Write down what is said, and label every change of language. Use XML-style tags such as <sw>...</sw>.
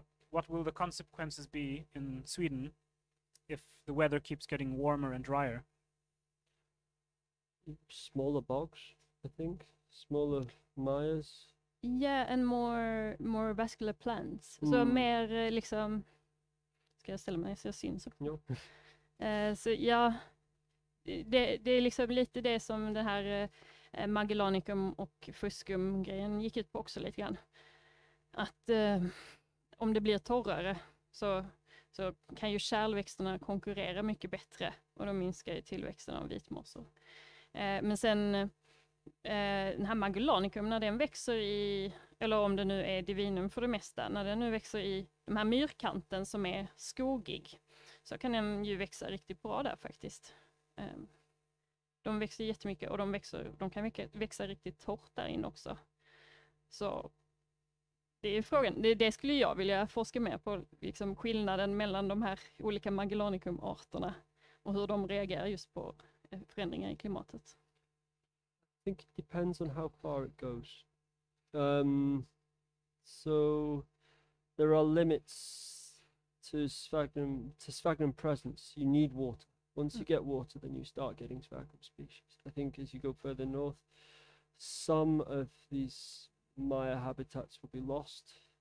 <en>What will the consequences be in Sweden if the weather keeps getting warmer and drier? Smaller bogs, I think. Smaller mires. Yeah, and more vascular plants.</en> <sv>Mm. So mer liksom. Ska jag ställa mig så jag syns. Ja. Så ja, det är liksom lite det som den här Magellanicum och Fuscum-grejen gick ut på också lite grann. Att om det blir torrare så kan ju kärlväxterna konkurrera mycket bättre och de minskar ju tillväxten av vitmossor. Men sen den här Magellanicum, när den växer i, eller om det nu är divinum för det mesta, när den nu växer i de här myrkanten som är skogig, så kan den ju växa riktigt bra där faktiskt. De växer jättemycket och de kan växa riktigt torrt där in också. Så det är frågan. Det skulle jag vilja forska mer på, liksom skillnaden mellan de här olika Magellanicum-arterna och hur de reagerar just på förändringar i klimatet.</sv> <en>I think it depends on how far it goes. So there are limits to sphagnum presence. You need water. Once you get water, then you start getting sphagnum species. I think as you go further north, some of these Maya habitats will be lost.</en>